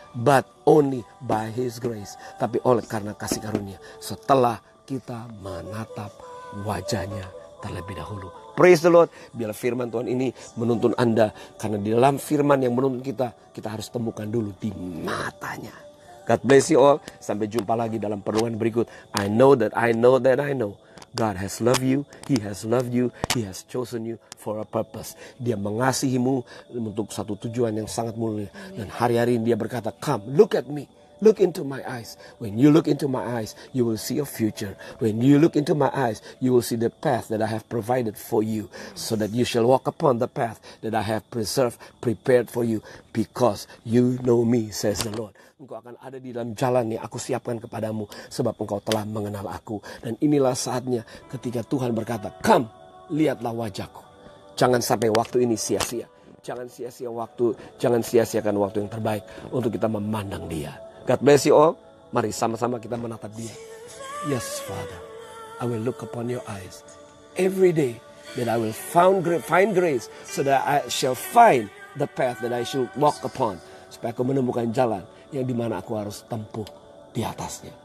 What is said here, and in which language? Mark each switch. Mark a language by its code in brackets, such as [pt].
[en] But only by His grace. [id] Tapi oleh karena kasih karunia. Setelah kita menatap wajah-Nya terlebih dahulu. [en] Praise the Lord. [id] Biarlah firman Tuhan ini menuntun Anda. Karena di dalam firman yang menuntun kita, kita harus temukan dulu di mata-Nya. [en] God bless you all. [id] Sampai jumpa lagi dalam perluan berikut. [en] I know that I know. God has loved you, He has loved you, He has chosen you for a purpose. [id] Dia mengasihimu untuk satu tujuan yang sangat mulia. Dan hari-hari ini dia berkata, [en] come, look at me, look into my eyes. When you look into my eyes, you will see your future. When you look into my eyes, you will see the path that I have provided for you. So that you shall walk upon the path that I have preserved, prepared for you. Because you know me, says the Lord. [id] Engkau akan ada di dalam jalan yang aku siapkan kepadamu. Sebab engkau telah mengenal aku. Dan inilah saatnya ketika Tuhan berkata, come, lihatlah wajahku. Jangan sampai waktu ini sia-sia. Jangan sia-sia waktu, jangan sia-siakan waktu yang terbaik untuk kita memandang dia. [en] God bless you all. [id] Mari sama-sama kita menatap dia. [en] Yes, Father, I will look upon your eyes every day that I will find grace so that I shall find the path that I should walk upon. [id] Supaya aku menemukan jalan yang di mana aku harus tempuh di atasnya.